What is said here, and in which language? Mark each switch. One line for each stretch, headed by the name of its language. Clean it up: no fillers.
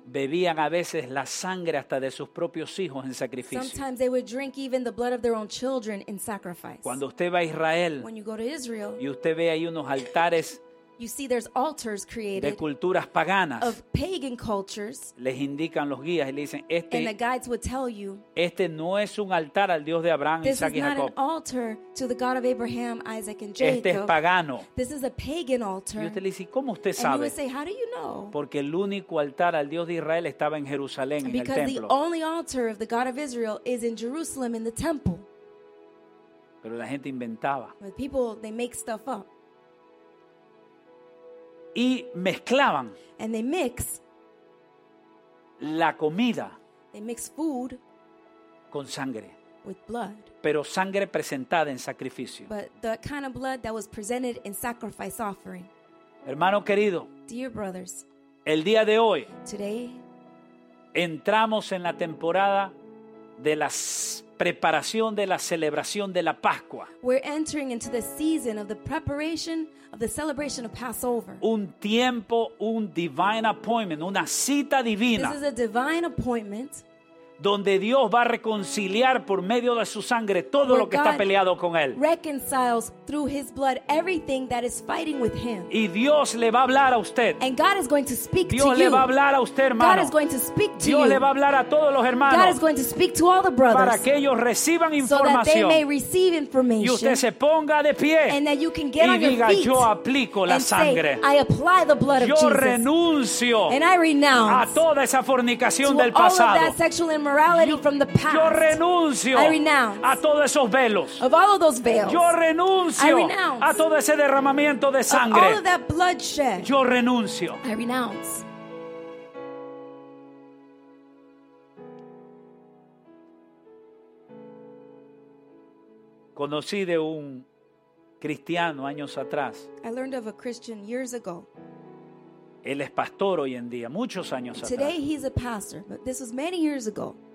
Spanish: bebían a veces la sangre hasta de sus propios hijos en sacrificio.
English: Sometimes they would drink even the blood of their own children in sacrifice.
Spanish: Cuando usted va a Israel,
English: when you go to Israel
Spanish: y usted ve ahí unos altares
English: you see there's altars created
Spanish: de culturas paganas
English: of pagan cultures,
Spanish: les indican los guías y le dicen este,
English: and the guides would tell you,
Spanish: este no es un altar al Dios de Abraham, Isaac y Jacob.
English: This is not an altar to the God of Abraham, Isaac and Jacob.
Spanish: Este es pagano.
English: This is a pagan altar.
Spanish: Y usted le dice, ¿cómo usted sabe?
English: And you would say, how do you know?
Spanish: Porque el único altar al Dios de Israel estaba en Jerusalén, en el templo.
English: Because the only altar of the God of Israel is in Jerusalem in the temple.
Spanish: Pero la gente inventaba.
English: But people, they make stuff up.
Spanish: Y mezclaban
English: and they mix
Spanish: la comida
English: They mix food
Spanish: con sangre.
English: With blood.
Spanish: Pero sangre presentada en sacrificio.
English: But the kind of blood that was presented in sacrifice offering.
Spanish: Hermano querido.
English: Dear brothers.
Spanish: El día de hoy.
English: Today.
Spanish: Entramos en la temporada de la preparación de la celebración de la Pascua.
English: We're entering into the season of the preparation of the celebration of Passover.
Spanish: Un tiempo, un
English: divine appointment,
Spanish: una cita divina.
English: This is a divine appointment.
Spanish: Donde Dios va a reconciliar por medio de su sangre todo lo que está peleado con él.
English: Reconciles through his blood everything that is fighting with him.
Spanish: Y Dios le va a hablar a usted.
English: And God is going to speak
Spanish: Dios
English: to you.
Spanish: Dios le va a hablar a usted, hermano.
English: God is going to speak to
Spanish: Dios
English: you.
Spanish: Dios le va a hablar a todos los hermanos.
English: God is going to speak to all the brothers.
Spanish: Para que ellos reciban información.
English: So that they may receive information.
Spanish: Y usted se ponga de pie.
English: And that you can get on your feet.
Spanish: Y diga, yo aplico la sangre.
English: And say, I apply the blood of
Spanish: yo
English: Jesus.
Spanish: Yo renuncio.
English: And I renounce.
Spanish: A toda esa fornicación del pasado.
English: To all of that sexual morality from the past.
Spanish: Yo renuncio.
English: I renounce.
Spanish: A todos esos velos.
English: Of all of those veils.
Spanish: Yo renuncio.
English: I renounce.
Spanish: A todo ese derramamiento de sangre.
English: Of all of that bloodshed.
Spanish: Yo renuncio.
English: I renounce.
Spanish: Conocí de un cristiano años atrás.
English: I learned of a Christian years ago.
Spanish: Él es pastor hoy en día, muchos años atrás.
English: Today he's a pastor, but this was many years ago.